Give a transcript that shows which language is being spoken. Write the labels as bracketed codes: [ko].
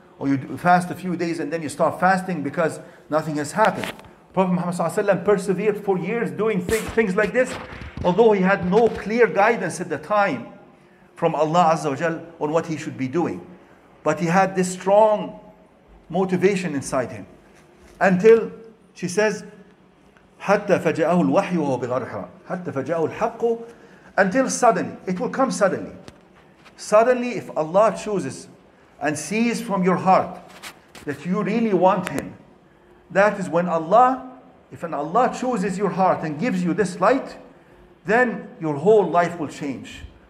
[en] Or you fast a few days and then you start fasting because nothing has happened. Prophet Muhammad ﷺ persevered for years doing things like this, although he had no clear guidance at the time from Allah Azza wa Jal on what he should be doing. But he had this strong motivation inside him. Until she says, [ar] حَتَّى فَجَاءَهُ الْوَحْيُ وَهُوَ بِغَارِ حِرَاءٍ حَتَّى فَجَاءَهُ الْحَقُّ. [en] Until suddenly, it will come suddenly. Suddenly, if Allah chooses and sees from your heart that you really want Him, that is when Allah chooses your heart and gives you this light, then your whole life will change.